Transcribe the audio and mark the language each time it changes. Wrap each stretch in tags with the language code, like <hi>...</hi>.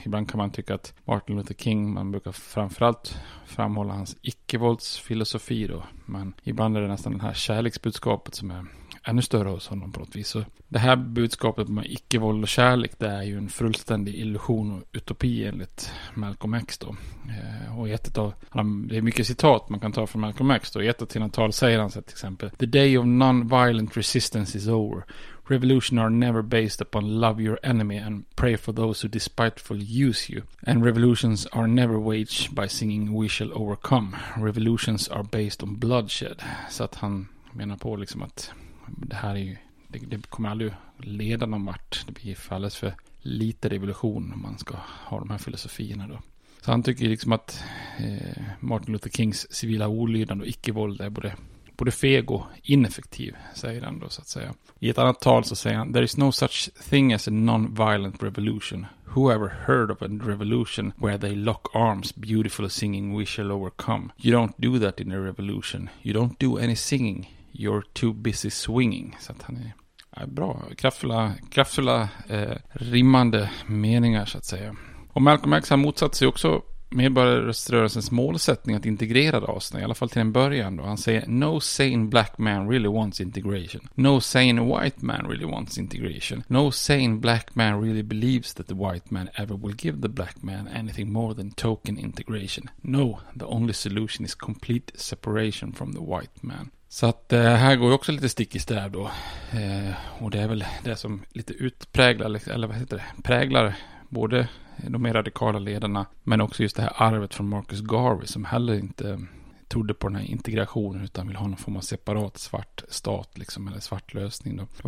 <sv>Ibland kan man tycka att Martin Luther King, man brukar framförallt framhålla hans icke-våldsfilosofi då, men ibland är det nästan det här kärleksbudskapet som är ännu större hos honom på något vis. Så det här budskapet om icke-våld och kärlek, det är ju en fullständig illusion och utopi enligt Malcolm X då. Och ett av, det är mycket citat man kan ta från Malcolm X då. I ett av sina tal säger han så här, till exempel:</sv> <en>"The day of non-violent resistance is over. Revolution are never based upon love your enemy and pray for those who despitefully use you. And revolutions are never waged by singing we shall overcome. Revolutions are based on bloodshed."</en> <sv>Så att han menar på liksom att det här är ju, det kommer aldrig leda någon vart. Det blir alldeles för lite revolution om man ska ha de här filosofierna då. Så han tycker liksom att Martin Luther Kings civila olydnad och icke-våld är både feg och ineffektiv, säger han då så att säga. I ett annat tal så säger han:</sv> <en>"There is no such thing as a non-violent revolution. Whoever heard of a revolution where they lock arms beautiful singing we shall overcome. You don't do that in a revolution. You don't do any singing. You're too busy swinging."</en> <sv>Så att han är bra, kraftfulla rimmande meningar så att säga. Och Malcolm X har motsatt sig också medborgarrörelsens målsättning att integrera raserna, i alla fall till en början då. Han säger:</sv> <en>"No sane black man really wants integration. No sane white man really wants integration. No sane black man really believes that the white man ever will give the black man anything more than token integration. No, the only solution is complete separation from the white man."</en> <sv>Så att här går ju också lite stick i stäv då. Och det är väl det som lite utpräglar, eller vad heter det, präglar både de mer radikala ledarna, men också just det här arvet från Marcus Garvey, som heller inte trodde på den här integrationen utan vill ha någon form av separat svart stat liksom, eller svart lösning då.</sv>